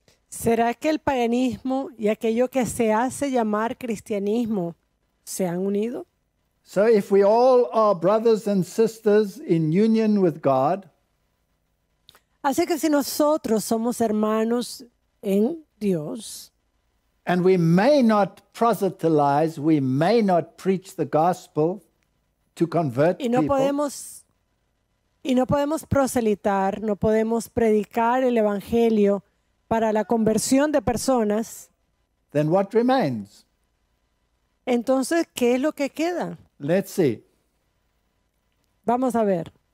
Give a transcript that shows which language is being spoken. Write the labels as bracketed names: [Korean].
[Spanish] ¿Será que el paganismo y aquello que se hace llamar cristianismo se han unido? [English] So if we all are brothers and sisters in union with God, [Spanish] así que si nosotros somos hermanos en Dios, [English] and we may not proselytize, we may not preach the gospel to convert [Spanish] y no [English] people. [Spanish] Y no podemos proselitar, no podemos predicar el evangelio para la conversión de personas. [English] Then what remains? [Spanish] Entonces, ¿qué es lo que queda? [English] Let's see. [Spanish] Vamos a ver.